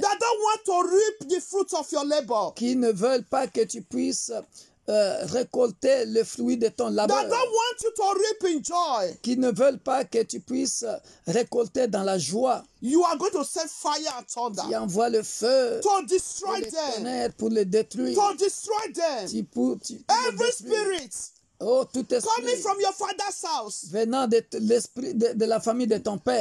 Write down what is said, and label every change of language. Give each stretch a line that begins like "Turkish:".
English: that don't want to reap the fruit of your labor,
French: qui ne veulent pas que tu puisses récolter le fruit de ton labeur.
English: That don't want you to reap in joy.
French: Qui ne veulent pas que tu puisses récolter dans la joie.
English: You are going to send fire and thunder.
French: Tu envoies le feu.
English: To destroy
French: pour
English: them.
French: Pour les détruire.
English: To destroy them.
French: Tu
English: every spirit.
French: Oh, tout esprit.
English: Coming from your father's house.
French: Venant de l'esprit de la famille de ton père.